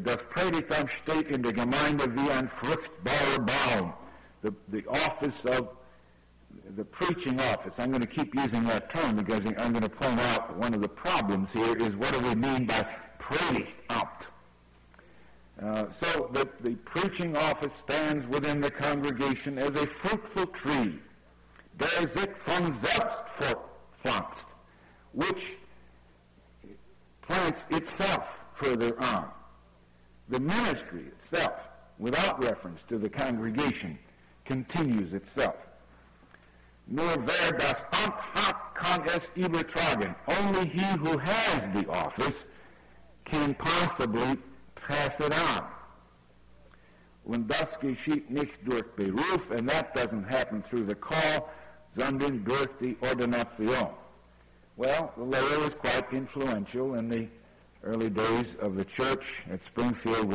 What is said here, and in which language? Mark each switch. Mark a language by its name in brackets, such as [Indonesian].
[German] Das Predigtamt steht in der Gemeinde wie ein fruchtbarer Baum. [English] The office of the preaching office. I'm going to keep using that term because I'm going to point out one of the problems here is what do we mean by Predigtamt? So the preaching office stands within the congregation as a fruitful tree. [German] Der sich von selbst fortpflanzt. [English] Which plants itself further on. The ministry itself, without reference to the congregation, continues itself. [German] Nur wer das Amt hat, kann es übertragen. [English] Only he who has the office can possibly pass it on. [German] Und das geschieht nicht durch Beruf, [English] and that doesn't happen through the call, [German] sondern durch die Ordination. [English] Well, the lawyer was quite influential in the early days of the church at Springfield.